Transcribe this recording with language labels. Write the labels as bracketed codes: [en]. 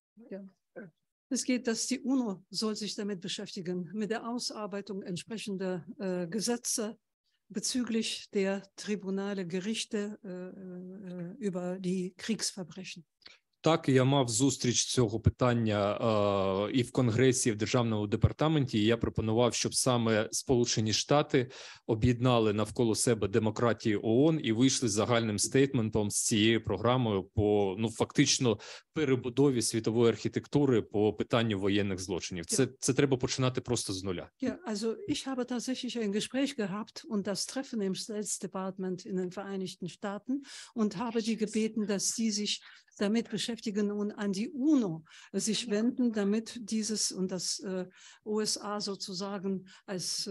[de] Ja. Es geht, dass die UNO soll sich damit beschäftigen, mit der Ausarbeitung entsprechender Gesetze bezüglich der Tribunale, Gerichte über die Kriegsverbrechen. [uk] Так, я мав зустріч цього питання і в Конгресі, і в Державному департаменті. І я пропонував, щоб саме Сполучені Штати об'єднали навколо себе демократії ООН і вийшли з загальним стейтментом з цією програмою по, ну, фактично, перебудові світової архітектури по питанню воєнних злочинів. Це треба починати просто з нуля. [de] Ja, also ich habe tatsächlich ein Gespräch gehabt und das Treffen im State Department in den Vereinigten Staaten und habe die gebeten, dass sie sich damit beschäftigen und an die UNO sich wenden, damit dieses und das USA sozusagen als